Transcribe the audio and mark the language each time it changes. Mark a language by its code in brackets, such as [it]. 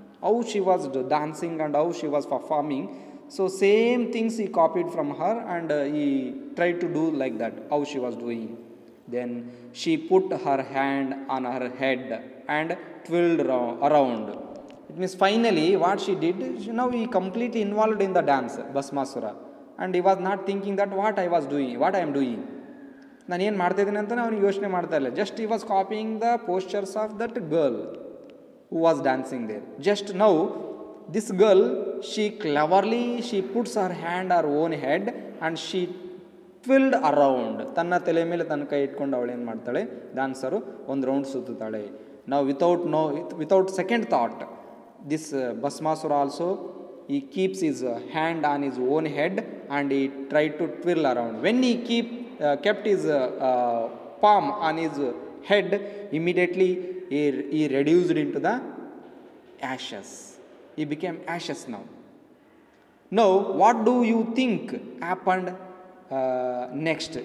[en] How she was dancing and how she was performing. So same things he copied from her, and he tried to do like that, how she was doing. Then she put her hand on her head and twirled around. It means finally what she did, now he completely involved in the dance, Bhasmasura. And he was not thinking that what I was doing, what I am doing. [kn] ನಾನು ಏನು ಮಾಡ್ತಾ ಇದ್ದೀನಿ ಅಂತಲೇ ಅವನಿಗೆ ಯೋಚನೆ ಮಾಡ್ತಾ ಇಲ್ಲ. [en] Just he was copying the postures of that girl who was dancing there. Just now this girl she cleverly she puts her hand her own head and she twirled around. [kn] ತನ್ನ ತಲೆ ಮೇಲೆ ತನ್ನ ಕೈ ಇಟ್ಕೊಂಡು ಅವಳು ಏನು ಮಾಡ್ತಾಳೆ, ಡ್ಯಾನ್ಸರು ಒಂದು ರೌಂಡ್ ಸುತ್ತಾಳೆ. [en] ನಾವು without no without second thought this Bhasmasura also he keeps his hand on his own head and he try to twirl around. When he keep kept his palm on his head, immediately he reduced into the ashes. He became ashes now. Now, what do you think happened next?